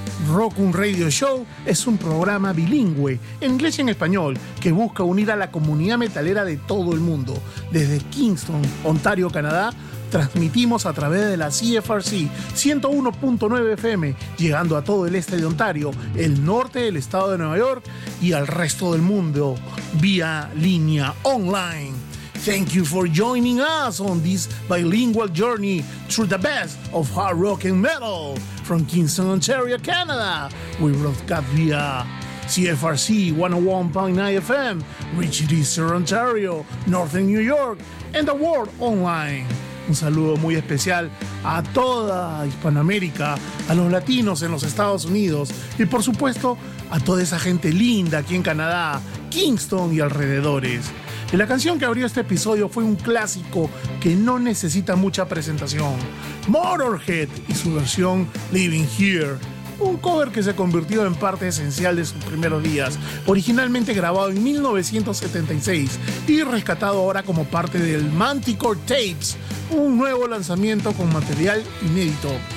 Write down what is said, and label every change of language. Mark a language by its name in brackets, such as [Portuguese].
[Spanish] Rockum Radio Show es un programa bilingüe, en inglés y en español, que busca unir a la comunidad metalera de todo el mundo. Desde Kingston, Ontario, Canadá, transmitimos a través de la CFRC 101.9 FM, llegando a todo el este de Ontario, el norte del estado de Nueva York y al resto del mundo vía línea online. [English] Thank you for joining us on this bilingual journey through the best of hard rock and metal from Kingston, Ontario, Canada. We broadcast via CFRC 101.9 FM, reaching Eastern Ontario, Northern New York, and the world online. [Spanish] Un saludo muy especial a toda Hispanoamérica, a los latinos en los Estados Unidos y, por supuesto, a toda esa gente linda aquí en Canadá, Kingston y alrededores. Y la canción que abrió este episodio fue un clásico que no necesita mucha presentación, Motorhead y su versión Living Here, un cover que se convirtió en parte esencial de sus primeros días, originalmente grabado en 1976 y rescatado ahora como parte del Manticore Tapes, un nuevo lanzamiento con material inédito.